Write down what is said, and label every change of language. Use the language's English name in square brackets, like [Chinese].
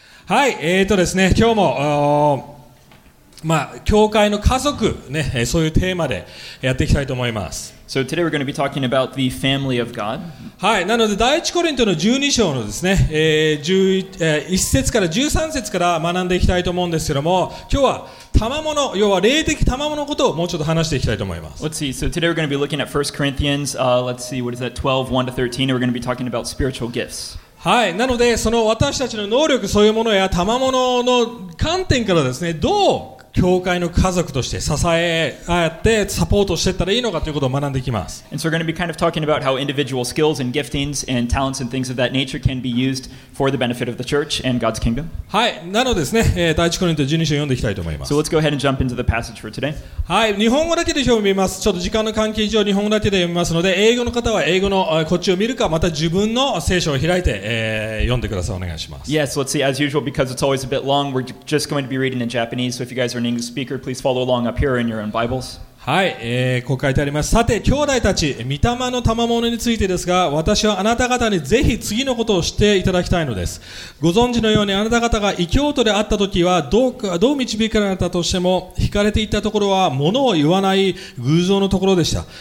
[Japanese] はい、ですね、今日も、教会の家族、ね、そういうテーマでやっていきたいと思います。 [English] So today we're going to be talking about the family of God. [Japanese] はい、なので第一コリントの12章のですね、1節から13節から学んでいきたいと思うんですけども、今日は賜物、要は霊的賜物のことをもうちょっと話していきたいと思います。 [English] Let's see. So today we're going to be looking at 1 Corinthians, let's see, what is that, 12, 1 to 13, and we're going to be talking about spiritual gifts. [Japanese] はい、なのでその私たちの能力そういうものや賜物の観点からですね、どう教会の家族として支え合ってサポートしていったらいいのかということを学んでいきます。 [English] And so we're going to be kind of talking about how individual skills and giftings and talents and things of that nature can be used for the benefit of the church and God's kingdom. [Japanese] はい、なのでですね、第一コリント12章を読んでいきたいと思います。 [English] So let's go ahead and jump into the passage for today. [Japanese] はい、日本語だけで読みます。ちょっと時間の関係上日本語だけで読みますので、英語の方は英語のこっちを見るか、また自分の聖書を開いて、読んでください。お願いします。 [English] Yes, let's see, as usual, because it's always a bit long, we're just going to be reading in Japanese, so if you guys areSpeaker, please follow along up here in your own Bibles. [Japanese] はい、こう書いてあります。さて兄弟たち、御霊の賜物についてですが、私はあなた方にぜひ次のことをしていただきたいのです。ご存知のように、あなた方が異教徒であった時はどう導かれたとしても、惹かれていったところは物を言わない偶像のところでした。